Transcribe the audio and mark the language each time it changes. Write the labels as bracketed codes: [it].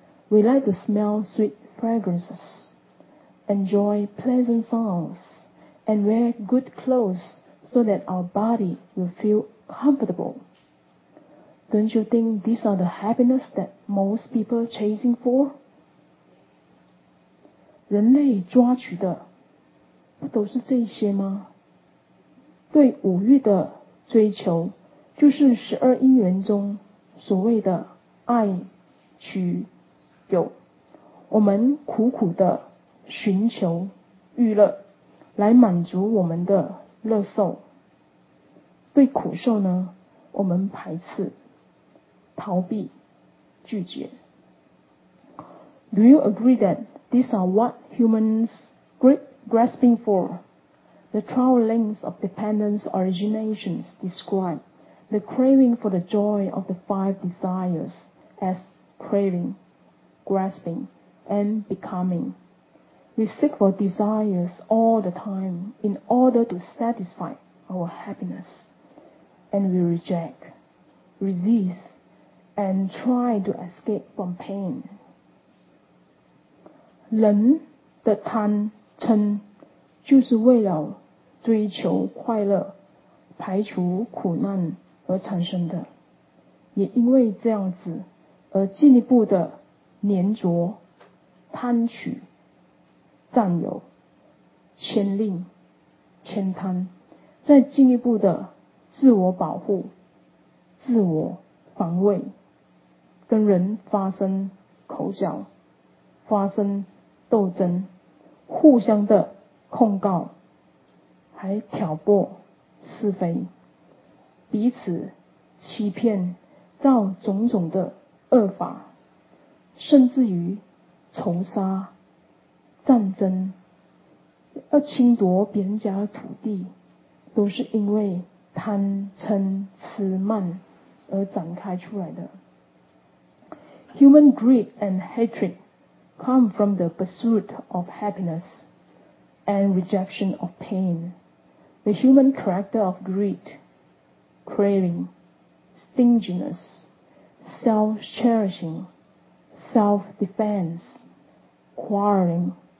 [en] We like to smell sweet fragrances, enjoy pleasant sounds, and wear good clothes so that our body will feel comfortable. Don't you think these are the happiness that most people are chasing for? [zh] 人类抓取的不都是这些吗？对五欲的追求，就是十二因缘中所谓的爱取有。我们苦苦的寻求娱乐来满足我们的乐受，对苦受呢，我们排斥、逃避、拒绝。 [en] Do you agree that these are what humans grasping for? The 12 links of dependence originations describe the craving for the joy of the 5 desires as craving, grasping,and becoming. We seek for desires all the time in order to satisfy our happiness, and we reject, resist, and try to escape from pain. [zh] 人的贪嗔就是为了追求快乐，排除苦难而产生的，也因为这样子而进一步的黏着贪取、占有、牵令、牵贪，再进一步的自我保护、自我防卫，跟人发生口角、发生斗争，互相的控告，还挑拨是非，彼此欺骗，造种种的恶法，甚至于仇杀、战争，要侵夺别人家的土地，都是因为贪嗔痴慢而展开出来的。 [en] Human greed and hatred come from the pursuit of happiness and rejection of pain. The human character of greed, craving, stinginess, self-cherishing, self-defense, quarreling,